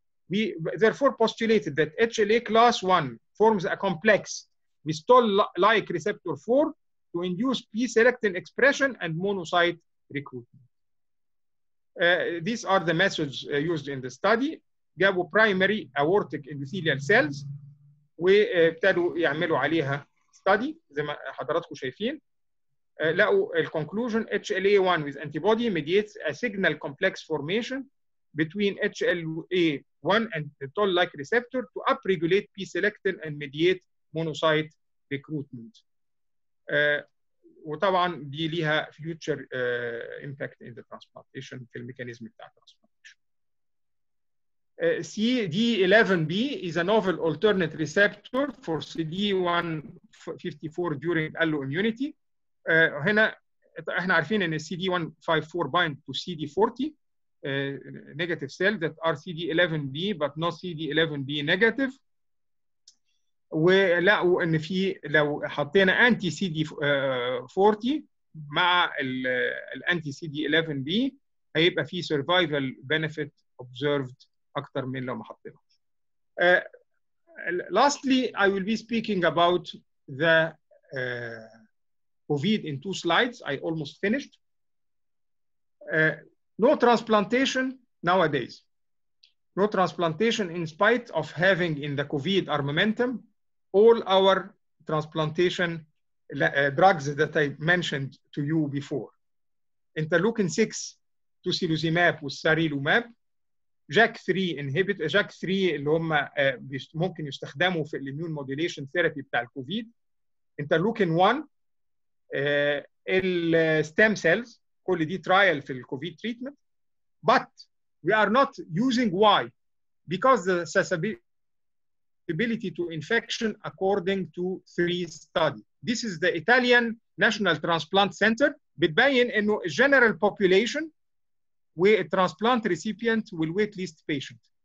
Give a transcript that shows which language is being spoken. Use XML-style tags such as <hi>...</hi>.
<en>we therefore postulated that HLA class 1 forms a complex with toll-like receptor 4 to induce P-selectin expression and monocyte recruitment. These are the methods used in the study.</en> <ar>جابوا</ar> <en>primary aortic endothelial cells</en> <ar>وابتدوا يعملوا عليها study زي ما حضراتكم شايفين. لقوا ال</ar> <en>conclusion HLA1 with antibody mediates a signal complex formation between HLA1 and the toll-like receptor to upregulate P-selectin and mediate monocyte recruitment.</en> <ar>وطبعا دي ليها</ar> <en>future impact in the transplantation</en> <ar>في الميكانيزم بتاع transplantation.</ar> <en>CD11B is a novel alternate receptor for CD154 during alloimmunity.</en> <ar>هنا احنا عارفين ان</ar> <en>CD154 bind to CD40 negative cells that are CD11B but not CD11B negative.</en> <ar>ولقوا ان في لو حطينا anti CD40 مع ال anti CD11B هيبقى في</ar> <en>survival benefit observed</en> <ar>أكثر من لو ما حطينا.</ar> <en>Lastly, I will be speaking about the COVID in two slides. I almost finished. No transplantation nowadays. No transplantation in spite of having in the COVID armamentum all our transplantation drugs that I mentioned to you before. Interleukin 6, tocilizumab with sarilumab. JAK3 inhibitor,</en> <ar>JAK3 اللي هم ممكن يستخدموا في الاميون موديليشن ثيرابي بتاع الكوفيد. انترلوكين 1 الستام سيلز كل دي ترايل في الكوفيد تريتمنت.</ar> <en>But we are not using why? Because the susceptibility to infection according to 3 study. This is the Italian National Transplant Center</en> <ar>بتبين انه</ar> <en>general population where a transplant recipient will wait list patient.</en>